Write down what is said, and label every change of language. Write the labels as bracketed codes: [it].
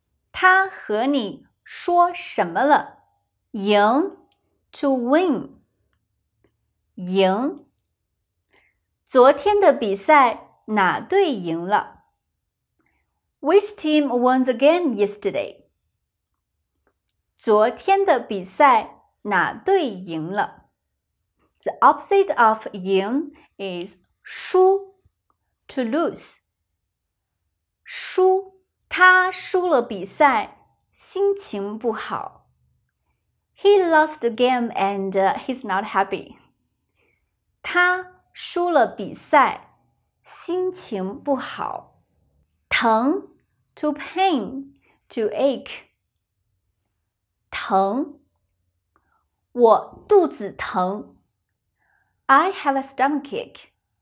[zh] 他和你说什么了赢 [en] to win, [zh] 赢昨天的比赛哪队赢了 [en] Which team won the game yesterday? [zh] 昨天的比赛哪队赢了? [en] The opposite of 赢 is 输 to lose. [zh] 输他输了比赛心情不好。 [en] He lost the game and he's not happy. [zh] 他输了比赛心情不好。 [en] 疼 to pain, to ache. [zh] 疼我肚子疼 [en] I have a stomachache.